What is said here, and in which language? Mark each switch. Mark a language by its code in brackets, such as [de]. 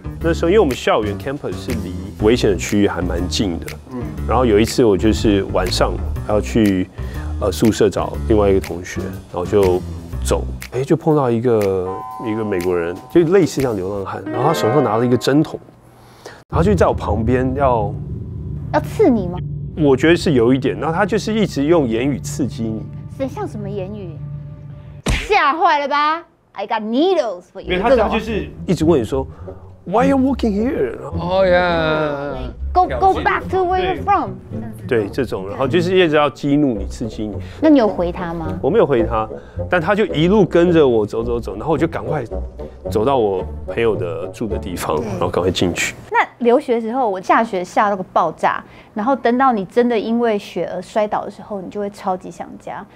[zh] 那时候，因为我们校园 campus 是离危险的区域还蛮近的，然后有一次我就是晚上要去宿舍找另外一个同学，然后就走，哎，就碰到一个美国人，就类似像流浪汉，然后他手上拿了一个针筒，然后就在我旁边要刺你吗？我觉得是有一点，然后他就是一直用言语刺激你，是像什么言语？吓坏了吧 ？ [en] I got needles for you。 [zh] 他就是一直问你说。 [en] Why are you working here? Oh yeah. Go back to where you're from. [zh] 对，这种，然后就是一直要激怒你，刺激你。那你有回他吗？我没有回他，但他就一路跟着我走走走，然后我就赶快走到我朋友的住的地方，然后赶快进去。那留学的时候，我下雪下到个爆炸，然后等到你真的因为雪而摔倒的时候，你就会超级想家。